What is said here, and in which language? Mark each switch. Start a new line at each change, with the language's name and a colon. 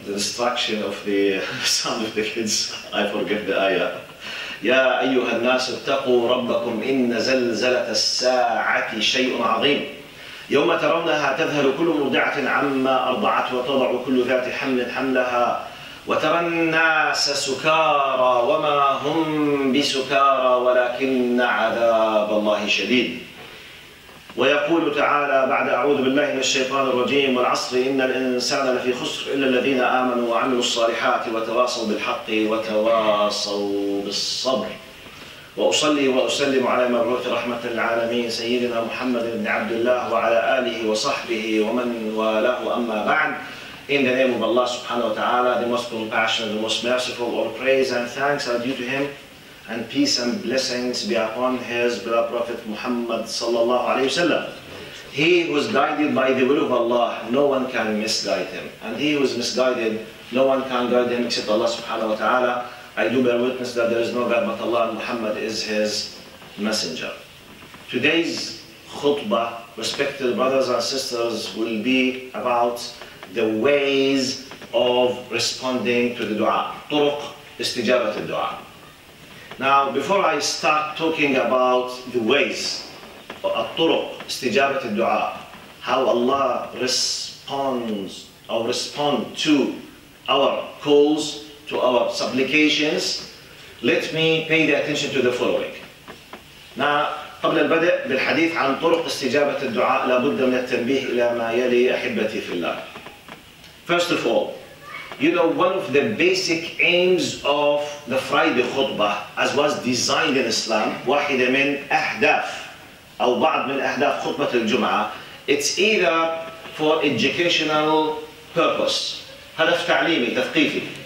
English: The destruction of the sound of the kids. I forget the ayah.
Arabic: يا أيها الناس اتقوا ربكم إن زلزلة الساعة شيء عظيم. يوم ترونها تذهل كل مرضعة عما أرضعت وتضع كل ذات حمل حملها وترى الناس سكارى وما هم بسكارى ولكن عذاب الله شديد. ويقول تعالى بعد أعوذ بالله من الشيطان الرجيم والعصر إن الإنسان لفي خسر إلا الذين آمنوا وعملوا الصالحات وتواصوا بالحق وتواصوا بالصبر. وأصلي وأسلم على مبعوث رحمة العالمين سيدنا محمد بن عبد الله وعلى آله وصحبه ومن والاه. أما بعد،
English: in the name of Allah
Arabic: سبحانه وتعالى,
English: the most compassionate, the most merciful, all praise and thanks are due to him, and peace and blessings be upon his beloved Prophet Muhammad
Arabic: صلى الله عليه وسلم.
English: He was guided by the will of Allah, no one can misguide him, and he was misguided, no one can guide him except Allah
Arabic: سبحانه وتعالى.
English: I do bear witness that there is no God but Allah and Muhammad is his messenger. Today's khutbah, respected brothers and sisters, will be about the ways of responding to the dua.
Arabic: طرق استجابة الدعاء.
English: Now, before I start talking about the ways,
Arabic: الطرق استجابة الدعاء,
English: how Allah responds or respond to our calls, to our supplications, let me pay the attention to the following. Now,
Arabic: قبل البدء بالحديث عن طرق استجابة الدعاء لابد من التنبيه إلى ما يلي أحبتي في الله.
English: First of all, you know one of the basic aims of the Friday khutbah as was designed in Islam,
Arabic: واحدة من أهداف أو بعض من أهداف خطبة الجمعة,
English: it's either for educational purpose,
Arabic: هدف تعليمي تثقيفي,